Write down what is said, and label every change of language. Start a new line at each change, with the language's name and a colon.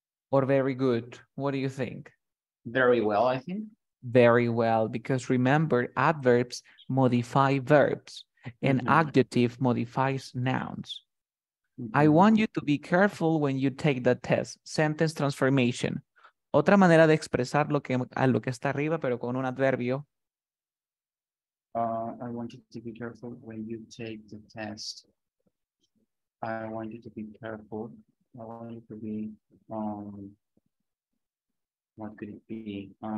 English: Or very good. What do you think? Very well, I think. Very well. Because remember, adverbs modify verbs. And adjective modifies nouns. I want you to be careful when you take the test. Sentence transformation.
Spanish: Otra manera de expresar lo que está arriba, pero con un adverbio.
English: I want you to be careful when you take the test. I want you to be careful. I want you to be, what could it be?